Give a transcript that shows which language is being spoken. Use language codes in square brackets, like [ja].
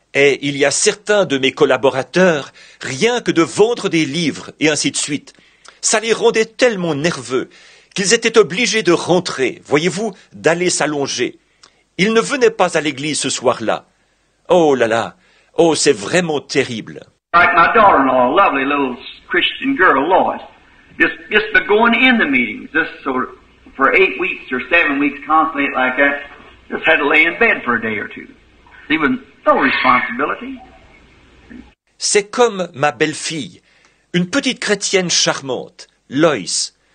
[fr] Et il y a certains de mes collaborateurs, rien que de vendre des livres et ainsi de suite, ça les rendait tellement nerveux qu'ils étaient obligés de rentrer, voyez-vous, d'aller s'allonger. Ils ne venaient pas à l'église ce soir-là. Oh là là, oh c'est vraiment terrible. [en] Like my daughter-in-law, a lovely little Christian girl, Lois, just the going in the meetings, just sort of for 8 weeks or 7 weeks constantly like that, just had to lay in bed for a day or two. No responsibility. [fr] C'est comme ma belle-fille, une petite chrétienne charmante, Lois.